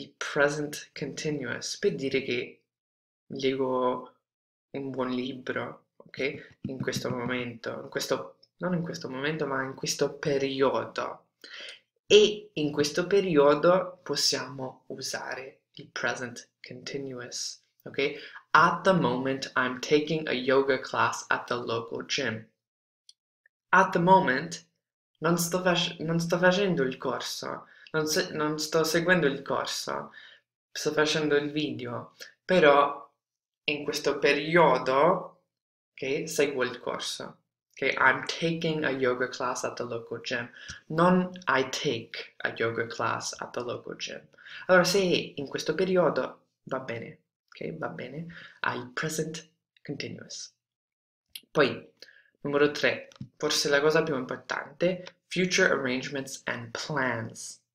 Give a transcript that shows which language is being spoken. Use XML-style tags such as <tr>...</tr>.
<it>present continuous per dire che leggo un buon libro, ok? In questo momento, non in questo momento, ma in questo periodo. E in questo periodo possiamo usare il present continuous, ok?</it> <en>At the moment I'm taking a yoga class at the local gym. At the moment</en> <it>non sto facendo il corso, non sto seguendo il corso, sto facendo il video, però in questo periodo, ok, seguo il corso.</it> <en>Okay, I'm taking a yoga class at the local gym. Non I take a yoga class at the local gym.</en> <it>Allora, se in questo periodo va bene, ok, va bene, hai il present continuous. Poi, numero 3, forse la cosa più importante,</it> <en>future arrangements and plans.</en>